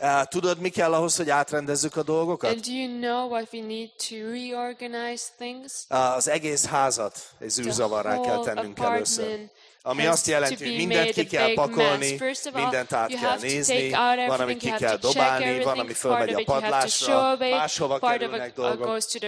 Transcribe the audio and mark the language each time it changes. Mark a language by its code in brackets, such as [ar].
[hu] Tudod, mi kell ahhoz, hogy átrendezzük a dolgokat? [en] And do you know what we need to reorganize things? [hu] Az egész házat egy zűrzavarrá kell tennünk először. Ami azt jelenti, hogy mindent ki kell pakolni, mindent át kell nézni, van, amit ki kell dobálni, van, ami fölmegy a padlásra, máshova kerülnek dolgok.